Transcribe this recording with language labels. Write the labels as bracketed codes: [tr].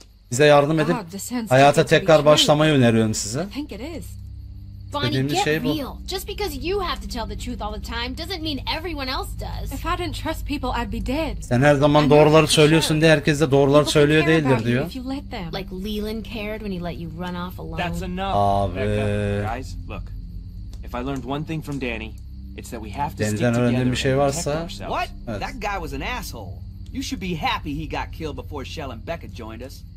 [tr] Bize yardım edip hayata tekrar başlamayı öneriyorum size. Dediğimiz şey bu. [en] Just because you have to tell the truth all the time doesn't mean everyone else does. If I didn't trust people, I'd be dead. [tr] Sen her zaman doğruları söylüyorsun diye herkes de doğruları söylüyor değildir diyor. [en] Like Leland cared when he let you run off alone. That's enough. [tr] Abi. [en] Guys, look. If I learned one thing from Danny, it's that we have to stick together. [tr] Danny'den öğrendiğim bir şey varsa. [en] What? That guy was an asshole. You should be happy he got killed before Shell and Becca joined us.